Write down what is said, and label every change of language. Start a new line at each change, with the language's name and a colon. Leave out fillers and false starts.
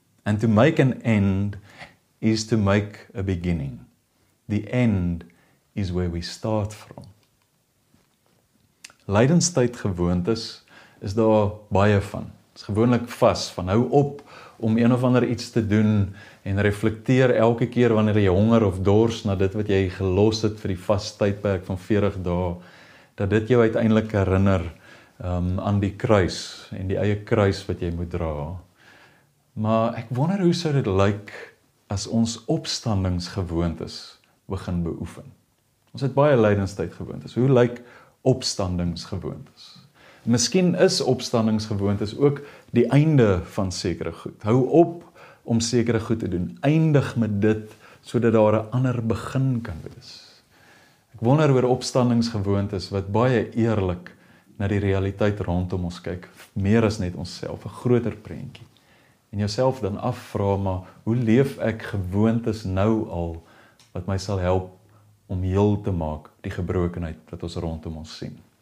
English: And to make an end is to make a beginning. The end is where we start from."
Afrikaans: Lydenstyd gewoontes is daar baie van. Dit is gewoonlik vas, van hou op om een of ander iets te doen en reflekteer elke keer wanneer jy honger of dors na dit wat jy gelos het vir die vas tydperk van 40 dae, dat dit jou uiteindelik herinner aan die kruis en die eie kruis wat jy moet dra. Maar ek wonder hoe sou dit lyk as ons opstandingsgewoontes begin beoefen. Ons het baie lydenstyd gewoontes. Hoe lyk opstandingsgewoontes? Miskien is opstandingsgewoontes ook die einde van sekere goed. Hou op om sekere goed te doen. Eindig met dit, sodat daar 'n ander begin kan wees. Ek wonder oor opstandingsgewoontes wat baie eerlik na die realiteit rondom ons kyk. Meer as net onsself, 'n groter prentjie. En jouself dan afvra, maar hoe leef ek gewoontes nou al wat my sal help om heel te maak die gebrokenheid wat ons rondom ons sien?